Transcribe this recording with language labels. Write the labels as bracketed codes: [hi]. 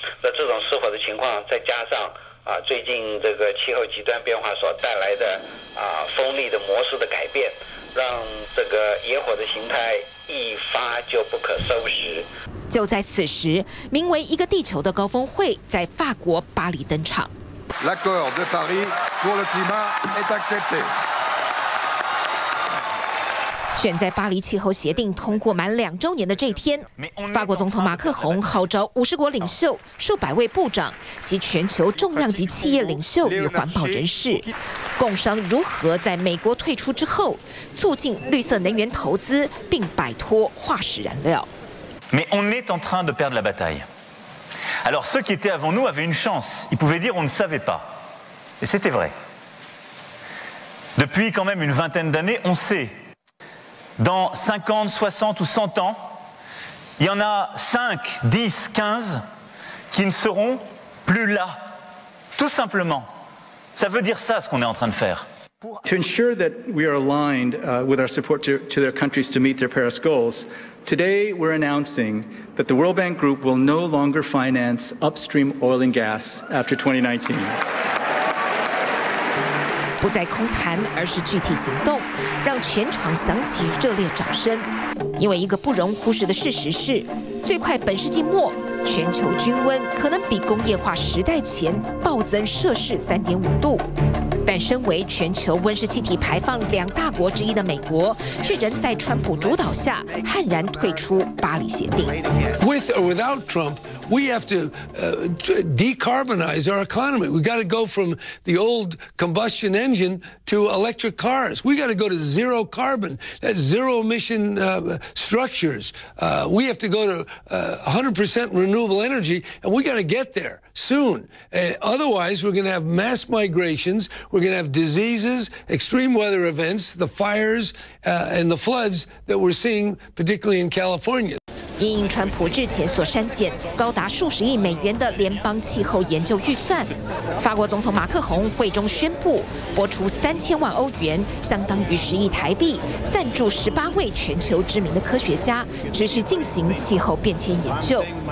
[zh] 那这种失火的情况再加上最近这个气候极端变化所带来的风力的模式的改变，让这个野火的形态一发就不可收拾。就在此时，名为一个地球的高峰会在法国巴黎登场。 [fr] L'accord de Paris pour le climat est accepté。 [zh] 选在巴黎气候协定通过满2周年的这天，法国总统马克宏号召50国领袖、数百位部长及全球重量级企业领袖与环保人士，共商如何在美国退出之后促进绿色能源投资，并摆脱化石燃料。 [fr] Mais on est en train de perdre la bataille. Alors ceux qui étaient avant nous avaient une chance. Ils pouvaient dire on ne savait pas. Et c'était vrai. Depuis quand même une vingtaine d'années, on sait. Dans 50, 60 ou 100 ans, il y en a 5, 10, 15 qui ne seront plus là. Tout simplement. Ça veut dire ça ce qu'on est en train de faire. [en] To ensure that we are aligned with our support to their countries to meet their Paris goals, today we're announcing that the World Bank Group will no longer finance upstream oil and gas after 2019. [zh] 不再空谈，而是具体行动，让全场响起热烈掌声。因为一个不容忽视的事实是，最快本世纪末，全球均温可能比工业化时代前暴增摄氏3.5度。但身为全球温室气体排放两大国之一的美国，却仍在川普主导下悍然退出巴黎协定。 [en] With or without Trump, we have to decarbonize our economy. We got to go from the old combustion engine to electric cars. We got to go to zero carbon, that's zero emission structures. We have to go to 100% renewable energy, and we got to get there. Soon. Otherwise, we're going to have mass migrations, we're going to have diseases, extreme weather events, the fires, and the floods that we're seeing, particularly in California. [zh] 因应川普之前所删减高达数十亿美元的联邦气候研究预算，法国总统马克宏会中宣布拨出3000万欧元，相当于10亿台币，赞助18位全球知名的科学家，持续进行气候变迁研究。